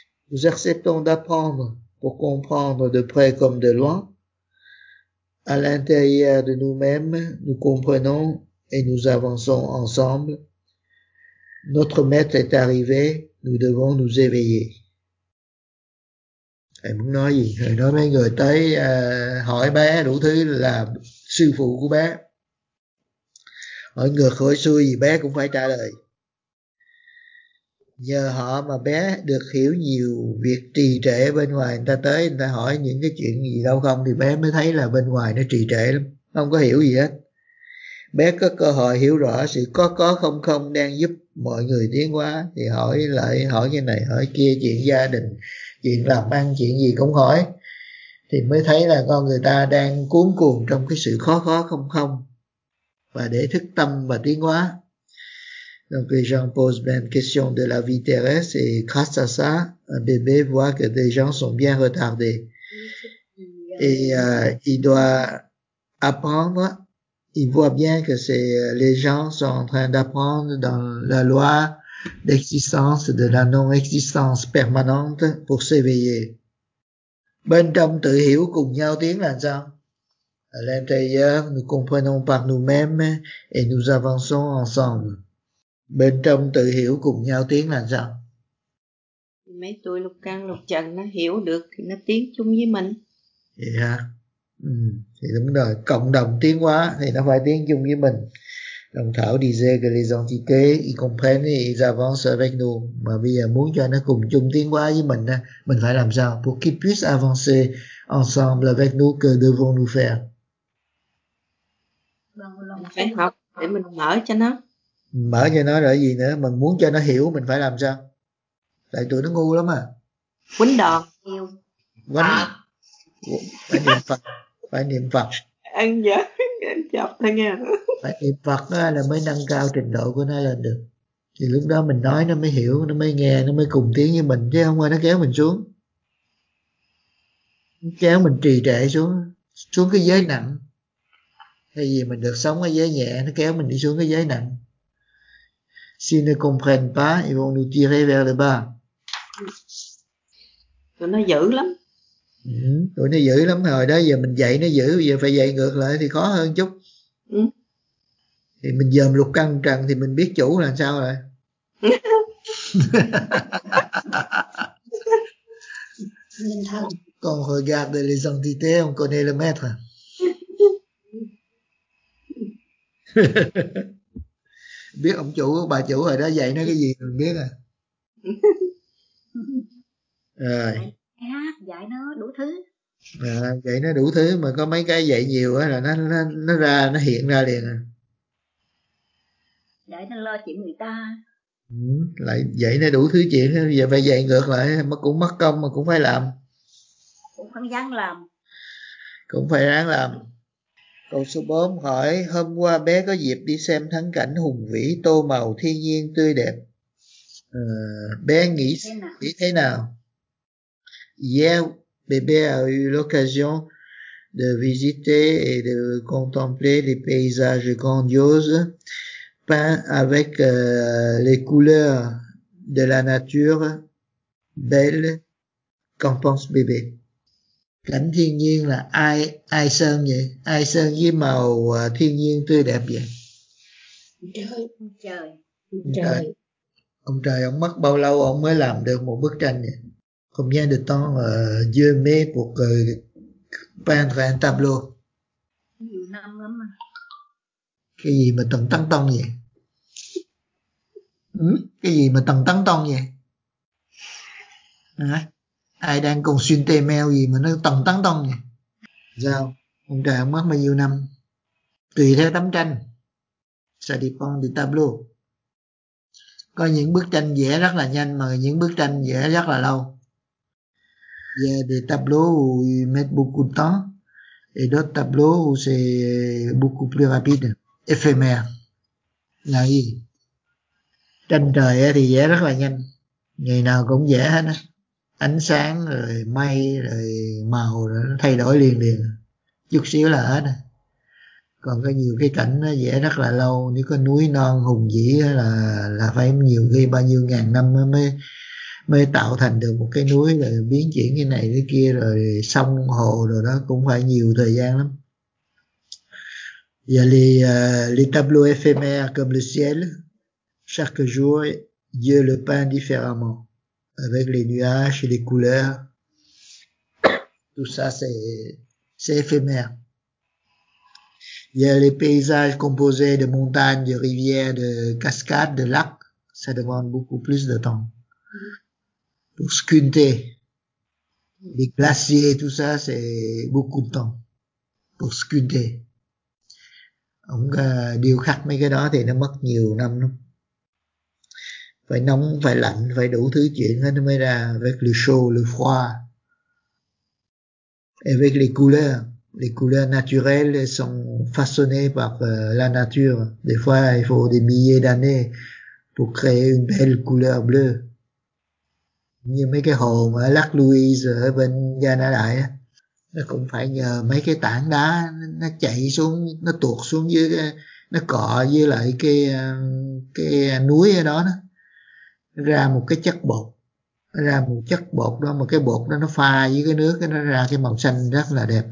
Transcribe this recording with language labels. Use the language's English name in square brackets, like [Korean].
[French] Nous acceptons d'apprendre pour comprendre de près comme de loin. À l'intérieur de nous-mêmes, nous comprenons et nous avançons ensemble. Notre maître est arrivé, nous devons nous éveiller. [Vietnamese] Thầy muốn nói gì? Thầy nói mấy người tới hỏi bé đủ thứ là sư phụ của bé. Hỏi ngược hỏi xuôi gì bé cũng phải trả lời. Nhờ họ mà bé được hiểu nhiều việc trì trệ bên ngoài, người ta tới người ta hỏi những cái chuyện gì đâu không thì bé mới thấy là bên ngoài nó trì trệ lắm, không có hiểu gì hết. Bé có cơ hội hiểu rõ sự có không không đang giúp mọi người tiến hóa, thì hỏi lại hỏi như này hỏi kia, chuyện gia đình, chuyện làm ăn, chuyện gì cũng hỏi, thì mới thấy là con người ta đang cuống cuồng trong cái sự khó không không và để thức tâm và tiến hóa. [French] Donc les gens posent même question de la vie terrestre et grâce à ça un bébé voit que des gens sont bien retardés et il doit apprendre. Il voit bien que c'est les gens sont en train d'apprendre dans la loi d'existence de la non-existence permanente pour s'éveiller. [Vietnamese] Bên trong tự hiểu cùng nhau tiến là sao? [French] À l'intérieur, nous comprenons par nous-mêmes et nous avançons ensemble. [Vietnamese] Bên trong tự hiểu cùng nhau tiến là sao? Mấy tuổi lục căn lục trần nó hiểu được thì nó tiến chung với mình. [English] Yeah. [Vietnamese] Thì đúng rồi, cộng đồng tiến hóa thì nó phải tiến chung với mình. [French] Đồng Thảo disait que les entités, ils comprennent et ils avancent avec nous. [Vietnamese] Mà bây giờ muốn cho nó cùng chung tiến hóa với mình, mình phải làm sao? [French] Pour qu'ils puissent avancer ensemble avec nous, que devons-nous faire? [Vietnamese] Mình phải học để mình mở cho nó. Mở cho nó là gì nữa? Mình muốn cho nó hiểu, mình phải làm sao? Tại tụi nó ngu lắm à. Quýnh đòn nhiều. Quýnh phải niệm Phật, phải niệm Phật. Ăn dở, ăn chập thôi nha. Phải niệm Phật là mới nâng cao trình độ của nó lên được. Thì lúc đó mình nói nó mới hiểu, nó mới nghe, nó mới cùng tiếng với mình chứ không phải nó kéo mình xuống. kéo mình trì trệ xuống, xuống cái giới nặng. Thay vì mình được sống ở giới nhẹ, nó kéo mình đi xuống cái giới nặng. [French] S'ils ne comprennent pas, ils vont nous tirer vers le bas. [Vietnamese] Tụi nó dữ lắm. Ừ, tụi nó dữ lắm rồi đó. Giờ mình dạy nó dữ, giờ phải dạy ngược lại thì khó hơn chút. Ừ. Thì mình dòm lục căng trần thì mình biết chủ là sao rồi. [French] Con regarde les entités, on connaît le maître. [Vietnamese] Biết ông chủ, bà chủ rồi đó, dạy nó cái gì mình biết à. Rồi. Dạy nó đủ thứ. À, dạy nó đủ thứ mà có mấy cái dạy nhiều á là nó ra, nó hiện ra liền à. Dạy nó lo chuyện người ta. Ừ, lại dạy nó đủ thứ chuyện, giờ phải dạy ngược lại, mà cũng mất công mà cũng phải làm. Cũng không dám làm. Cũng phải ráng làm. Câu số 4 hỏi, hôm qua bé có dịp đi xem thắng cảnh hùng vĩ, tô màu thiên nhiên tươi đẹp. Bé nghĩ thế nào? [French] Hier, bébé a eu l'occasion de visiter et de contempler les paysages grandioses peints avec les couleurs de la nature belle. Qu'en pense bébé? [Vietnamese] Cảnh thiên nhiên là ai ai sơn vậy? Ai sơn với màu thiên nhiên tươi đẹp vậy? Trời. Ông trời, ông mất bao lâu ông mới làm được một bức tranh vậy? [French] Combien de temps Dieu met pour peindre un tableau? [Vietnamese] Nhiều năm lắm à. Cái gì mà tầng tăng tông vậy? Cái gì mà tầng tăng tông vậy? Ai đang còn xuyên tê mèo gì mà nó tầng tăng tông vậy? Sao? Ông trời ông mất bao nhiêu năm? Tùy theo tấm tranh. [French] Ça dépend du tableau. [Vietnamese] Có những bức tranh vẽ rất là nhanh mà những bức tranh vẽ rất là lâu. [French] Il y a des tableaux où ils mettent beaucoup de temps et d'autres tableaux où c'est beaucoup plus rapide, éphémère. [Vietnamese] Là gì? Tranh trời thì vẽ rất là nhanh, ngày nào cũng vẽ hết á. Ánh sáng rồi mây rồi màu rồi nó thay đổi liền liền, chút xíu là hết á. Còn có nhiều cái cảnh nó vẽ rất là lâu, nếu có núi non hùng vĩ là phải nhiều khi bao nhiêu ngàn năm mới tạo thành được một cái núi, rồi biến chuyển cái này cái kia, rồi sông hồ rồi đó, cũng phải nhiều thời gian lắm. [French] Il y a les tableaux éphémères comme le ciel. Chaque jour, Dieu le peint différemment, avec les nuages et les couleurs. Tout ça, c'est éphémère. Il y a les paysages composés de montagnes, de rivières, de cascades, de lacs. Ça demande beaucoup plus de temps. Pour sculpter les glaciers, tout ça, c'est beaucoup de temps pour sculpter. [Vietnamese] Ông điêu khắc mấy cái đó thì nó mất nhiều năm lắm. Phải nóng, phải lạnh, phải đủ thứ chuyện hết nó mới ra. [French] Avec le chaud, le froid. Avec les couleurs naturelles sont façonnées par la nature. Des fois, il faut des milliers d'années pour créer une belle couleur bleue. [Vietnamese] Như mấy cái hồ mà ở Lac Louise ở bên Gia Na Đại á, nó cũng phải nhờ mấy cái tảng đá nó chạy xuống, nó tuột xuống dưới cái, nó cọ với lại cái núi ở đó, nó ra một cái chất bột, nó ra một chất bột đó, mà cái bột đó nó pha với cái nước, nó ra cái màu xanh rất là đẹp.